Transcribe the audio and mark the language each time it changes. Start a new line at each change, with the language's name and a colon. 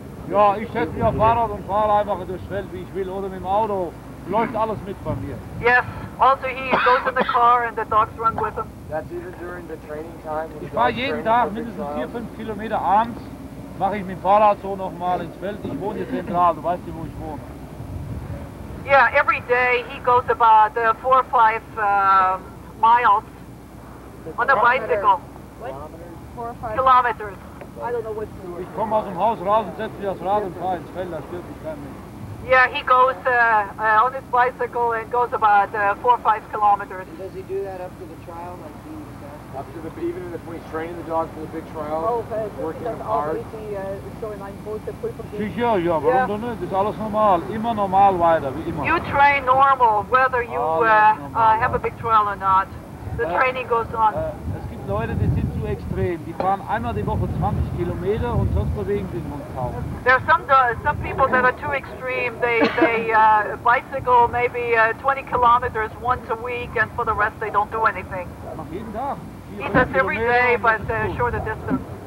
German: Ja, ich setze mir auf Fahrrad und fahre einfach durchs Feld, wie ich will, oder mit dem Auto. Läuft alles mit bei mir.
English: Yes, also he goes in the car and the dogs run with him. That's even during the training time.
German: Ich fahre jeden Tag mindestens 4-5 Kilometer abends, mache ich mit dem Fahrrad so nochmal ins Feld. Ich wohne hier zentral, du weißt nicht, wo ich wohne.
English: Yeah, every day he goes about 4 or 5 miles on a bicycle. Kilometers. I don't know what.
German: Ich komme aus dem Haus raus und setze mich aufs Rad und fahre ins Feld. Da stört mich kein Mensch.
English: Yeah, he goes on his bicycle and goes about 4 or 5 kilometers. And does he do that up to the trial? Even if he's training the dog for the big trial, working hard.
German: Sicher, warum denn nicht? Das ist alles normal. Immer normal weiter, wie immer.
English: You train normal, whether you have a big trial or not. The training goes on.
German: Es gibt Leute, die sind zu extrem. Die fahren einmal die Woche 20 Kilometer und sonst bewegen sie sich nicht kaum.
English: There are some people that are too extreme. They bicycle maybe 20 kilometers once a week and for the rest they don't do anything.
German: Jeden Tag.
English: He does every day, but shorter distance.